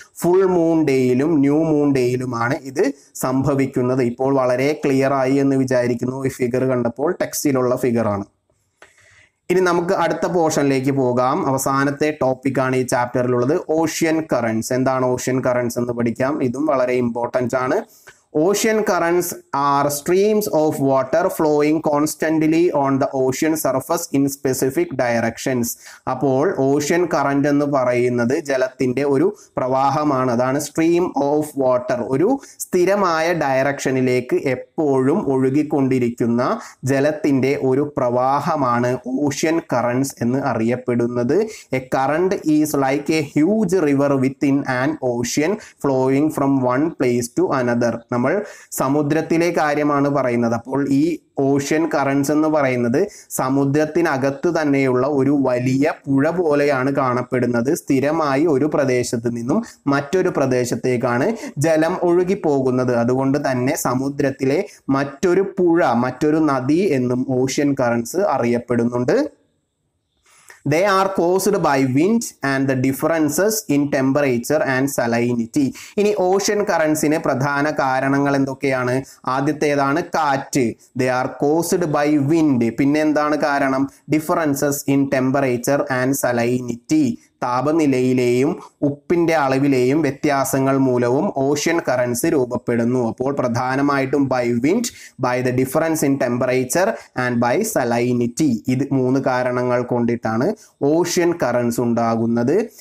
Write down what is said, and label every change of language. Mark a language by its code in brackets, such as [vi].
[ml] Full moon ഡേയിലും new moon ഡേയിലുമാണ് ഇത് സംഭവിക്കുന്നത്. ഇപ്പോൾ വളരെ ക്ലിയർ ആയി എന്ന് വിചാരിക്കുന്നു. ഈ ഫിഗർ കണ്ടപ്പോൾ ടെക്സ്റ്റിലുള്ള ഫിഗറാണ്. ഇനി നമുക്ക് അടുത്ത പോർഷനിലേക്ക് പോകാം. അവസാനത്തെ ടോപ്പിക്കാണ് ഈ ചാപ്റ്ററിലുള്ളത്, ഓഷ്യൻ കറൻറ്റ്സ്. എന്താണ് ഓഷ്യൻ കറൻറ്റ്സ് എന്ന് പഠിക്കാം. ഇതും വളരെ ഇമ്പോർട്ടൻ്റ് ആണ്. [en] Ocean currents are streams of water flowing constantly on the ocean surface in specific directions. [ml] അപ്പോൾ ഓഷ്യൻ കറന്റ് എന്ന് പറയുന്നത് ജലത്തിൻ്റെ ഒരു പ്രവാഹമാണ്. അതാണ് സ്ട്രീം ഓഫ് വാട്ടർ. ഒരു സ്ഥിരമായ ഡയറക്ഷനിലേക്ക് എപ്പോഴും ഒഴുകിക്കൊണ്ടിരിക്കുന്ന ജലത്തിൻ്റെ ഒരു പ്രവാഹമാണ് ഓഷ്യൻ കറൻറ്റ്സ് എന്ന് അറിയപ്പെടുന്നത്. [en] A current is like a huge river with in an ocean flowing from one place to another. [ml] നമ്മൾ സമുദ്രത്തിലെ കാര്യമാണ് പറയുന്നത്. അപ്പോൾ ഈ ഓഷ്യൻ കറൻറ്റ്സ് എന്ന് പറയുന്നത് സമുദ്രത്തിനകത്ത് തന്നെയുള്ള ഒരു വലിയ പുഴ പോലെയാണ് കാണപ്പെടുന്നത്. സ്ഥിരമായി ഒരു പ്രദേശത്ത് നിന്നും മറ്റൊരു പ്രദേശത്തേക്കാണ് ജലം ഒഴുകിപ്പോകുന്നത്. അതുകൊണ്ട് തന്നെ സമുദ്രത്തിലെ മറ്റൊരു പുഴ, മറ്റൊരു നദി എന്നും ഓഷ്യൻ കറൻറ്റ്സ് അറിയപ്പെടുന്നുണ്ട്. [en] They are caused by wind and the differences in temperature and salinity. [ml] ഇനി ഓഷ്യൻ കറൻസിനെ പ്രധാന കാരണങ്ങൾ എന്തൊക്കെയാണ്? ആദ്യത്തേതാണ് കാറ്റ്. [en] They are caused by wind. [ml] പിന്നെ എന്താണ് കാരണം? [en] Differences in temperature and salinity. [ml] താപനിലയിലെയും ഉപ്പിൻ്റെ അളവിലെയും വ്യത്യാസങ്ങൾ മൂലവും ഓഷ്യൻ കറൻസ് രൂപപ്പെടുന്നു. അപ്പോൾ പ്രധാനമായിട്ടും [en] By wind, by the difference in temperature and by salinity. [ml] ഇത് മൂന്ന് കാരണങ്ങൾ കൊണ്ടിട്ടാണ് ഓഷ്യൻ കറൻസ് ഉണ്ടാകുന്നത്.